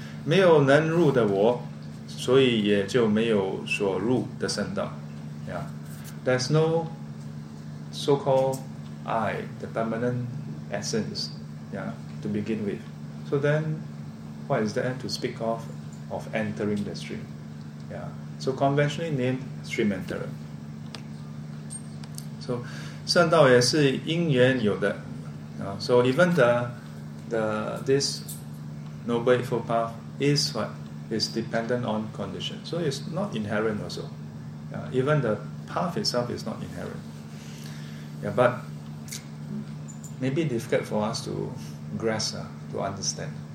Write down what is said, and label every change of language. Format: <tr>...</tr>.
<zh>没有能入的我, 所以也就没有所入的圣道.</zh> <en>Yeah. There's no so-called I, the permanent essence, yeah, to begin with. So then, what is there to speak of entering the stream? Yeah. So conventionally named stream enterer.</en> <zh>So, 圣道也是因缘有的.</zh> <en>Yeah. So even the this noble eightfold path is what is dependent on condition. So it's not inherent also. Even the path itself is not inherent. Yeah, but maybe difficult for us to grasp, to understand.</en>